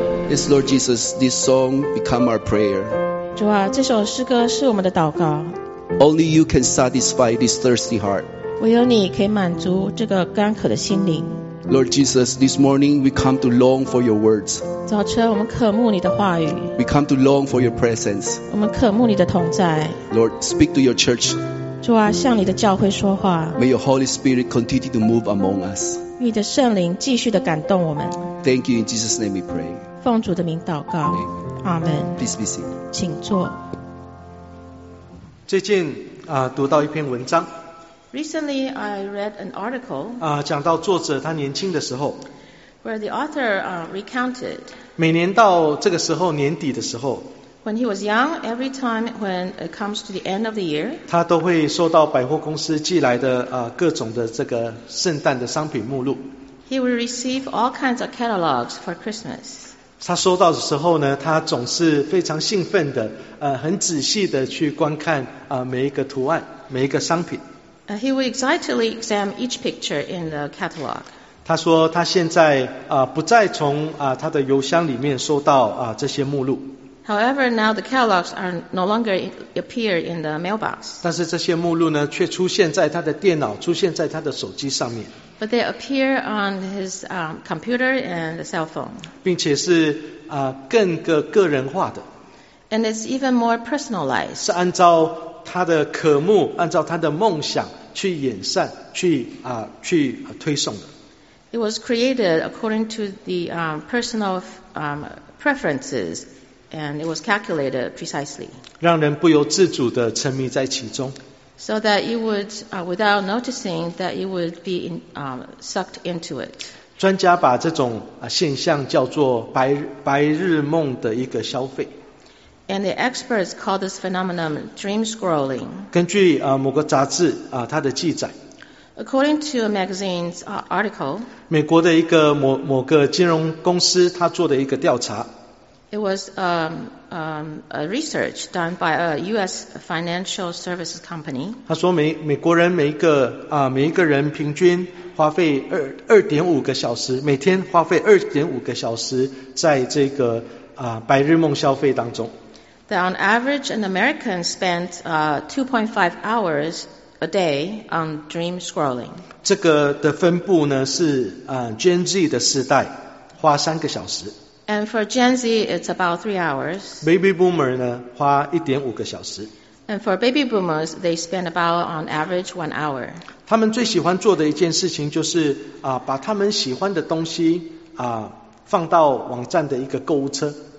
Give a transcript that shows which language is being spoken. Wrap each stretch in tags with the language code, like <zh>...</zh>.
<en>Yes, Lord Jesus, this song become our prayer.</en> <zh>主啊，这首诗歌是我们的祷告。</zh> <en>Only you can satisfy this thirsty heart.</en> <zh>唯有你可以满足这个干渴的心灵。</zh> <en>Lord Jesus, this morning we come to long for your words.</en> <zh>早晨我们渴慕你的话语。</zh> <en>We come to long for your presence.</en> <zh>我们渴慕你的同在。</zh> <en>Lord, speak to your church.</en> <zh>主啊，向你的教会说话。</zh> <en>May your Holy Spirit continue to move among us.</en> <zh>你的圣灵继续地感动我们。</zh> <en>Thank you, in Jesus' name we pray.</en> <zh>奉主的名祷告。</zh> <en>Amen. Please be seated.</en> <zh>请坐。最近啊，读到一篇文章。</zh> <en>Recently, I read an article.</en> <zh>啊，讲到作者他年轻的时候。</zh> <en>Where the author recounted.</en> <zh>每年到这个时候年底的时候。</zh> <en>When he was young, every time when it comes to the end of the year.</en> <zh>他都会收到百货公司寄来的啊各种的这个圣诞的商品目录。</zh> <en>He will receive all kinds of catalogs for Christmas.</en> <zh>他收到的时候呢，他总是非常兴奋的，很仔细的去观看每一个图案，每一个商品。</zh> <en>He will excitedly examine each picture in the catalog.</en> <zh>他说他现在不再从他的邮箱里面收到这些目录。</zh> <en>However, now the catalogs are no longer appear in the mailbox.</en> <zh>但是这些目录呢，却出现在他的电脑，出现在他的手机上面。</zh> <en>But they appear on his computer and the cell phone.</en> <zh>并且是更个人化的。</zh> <en>And it's even more personalized.</en> <zh>是按照他的渴慕，按照他的梦想去演善，去推送的。</zh> <en>It was created according to the personal preferences, and it was calculated precisely.</en> <zh>让人不由自主的沉迷在其中。</zh> <en>So that you would, without noticing, that you would be in, sucked into it.</en> <zh>专家把这种现象叫做白日梦的一个消费。</zh> <en>And the experts call this phenomenon dream scrolling.</en> <zh>根据某个杂志它的记载。</zh> <en>According to a magazine's article.</en> <zh>美国的一个某个金融公司它做的一个调查。</zh> <en>It was a research done by a U.S. financial services company.</en> <zh>他说美国人每一个人平均花费2.5个小时，每天花费2.5个小时在这个白日梦消费当中。</zh> <en>That on average, an American spent 2.5 hours a day on dream scrolling.</en> <zh>这个的分布呢是Gen Z 的世代花3个小时。</zh> <en>And for Gen Z, it's about 3 hours.</en> <zh>Baby boomer 呢花1.5个小时。</zh> <en>And for baby boomers, they spend about on average 1 hour.</en> <zh>他们最喜欢做的一件事情就是把他们喜欢的东西放到网站的一个购物车。</zh>